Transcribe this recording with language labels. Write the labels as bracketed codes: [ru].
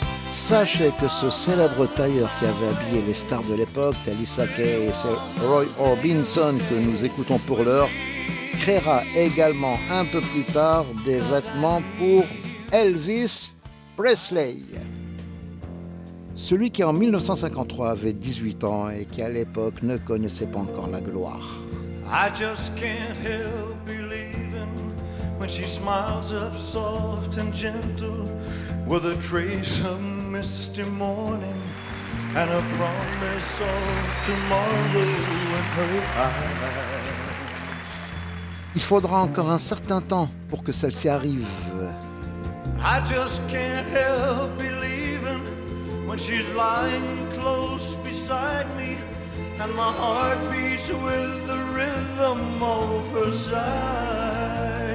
[fr] Sachez que ce célèbre tailleur qui avait habillé les stars de l'époque, tel Isaac Hayes et Roy Orbison que nous écoutons pour l'heure, créera également un peu plus tard des vêtements pour Elvis Presley. Celui qui en 1953 avait 18 ans et qui à l'époque ne connaissait pas encore la gloire. [en] I just can't help believing when she smiles up soft and gentle with a trace of misty morning and a promise of tomorrow in her eyes. [fr] Il faudra encore un certain temps pour que celle-ci arrive. [en] I just can't help believing when she's lying close beside me and my heart beats with the rhythm of her sighs.